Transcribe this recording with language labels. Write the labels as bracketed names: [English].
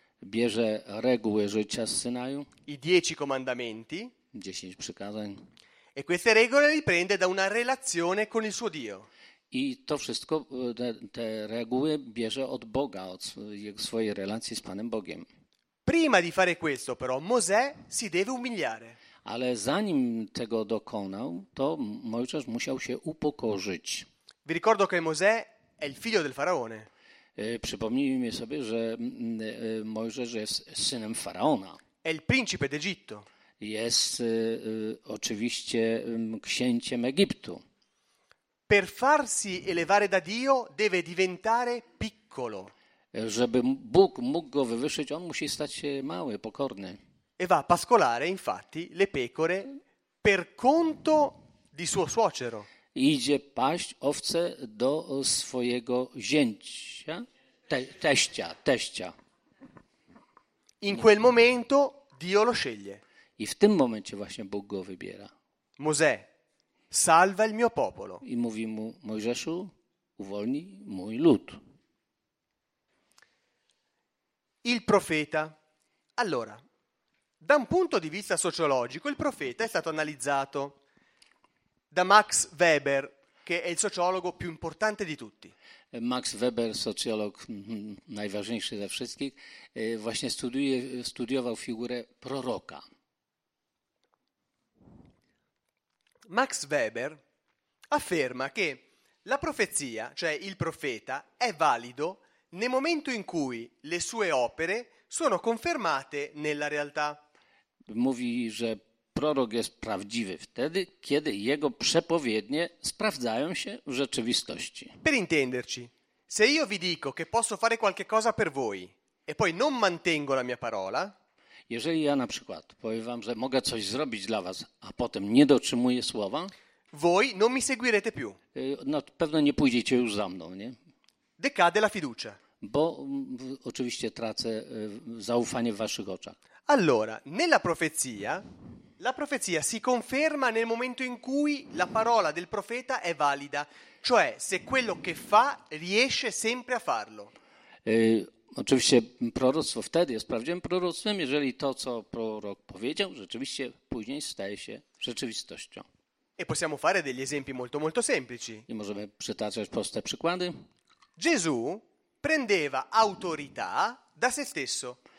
[Polish] Bierze reguły życia z Synaju. [Italian] I 10 comandamenti. [Polish] 10 przykazań. [Italian] E queste regole li prende da una relazione con il suo Dio. [Polish] I to wszystko, te reguły bierze od Boga, od swojej relacji z Panem Bogiem. [Italian] Prima di fare questo però, Mosè si deve umiliare. [Polish] Ale zanim tego dokonał, to Mojżesz musiał się upokorzyć. [Italian] Vi ricordo che Mosè è il figlio del faraone. [Polish] Przypomnijmy sobie, że Mojżesz jest synem faraona. [Italian] È il principe d'Egitto. [Polish] Jest oczywiście księciem Egiptu. [Italian] Per farsi elevare da Dio deve diventare piccolo. [Polish] Żeby Bóg mógł go wywyższyć, on musi stać się mały, pokorny. [Italian] E va a pascolare, infatti, le pecore per conto di suo suocero. [Polish] Idzie paść owce do swojego zięcia, teścia. [Italian] In quel momento Dio lo sceglie. [Polish] I w tym momencie właśnie Bóg go wybiera. [Italian] Mosè, salva il mio popolo. [Polish] I mówi mu, Mojżeszu, uwolnij mój lud. [Italian] Il profeta. Allora, da un punto di vista sociologico, il profeta è stato analizzato da Max Weber, che è il sociologo più importante di tutti. [Polish] Max Weber, sociolog najważniejszy ze wszystkich, właśnie studiował figurę proroka. [Italian] Max Weber afferma che la profezia, cioè il profeta, è valido nel momento in cui le sue opere sono confermate nella realtà. [Polish] Mówi, że prorok jest prawdziwy wtedy, kiedy jego przepowiednie sprawdzają się w rzeczywistości. [Italian] Per intenderci, se io vi dico che posso fare qualche cosa per voi e poi non mantengo la mia parola. [Polish] Jeżeli ja na przykład powiem wam, że mogę coś zrobić dla was, a potem nie dotrzymuję słowa, [Italian] voi non mi seguirete più. [Polish] No, pewno nie pójdziecie już za mną, nie? [Italian] Decade la fiducia. [Polish] Bo oczywiście tracę zaufanie w waszych oczach. [Italian] Allora, nella profezia, la profezia si conferma nel momento in cui la parola del profeta è valida, cioè se quello che fa riesce sempre a farlo. [Polish] Oczywiście proroctwo wtedy jest prawdziwym proroctwem, jeżeli to, co prorok powiedział, rzeczywiście później staje się rzeczywistością. [Italian] E possiamo fare degli esempi molto, molto semplici. [Polish] I możemy przytaczać proste przykłady. [Italian] Gesù prendeva autorità da se stesso.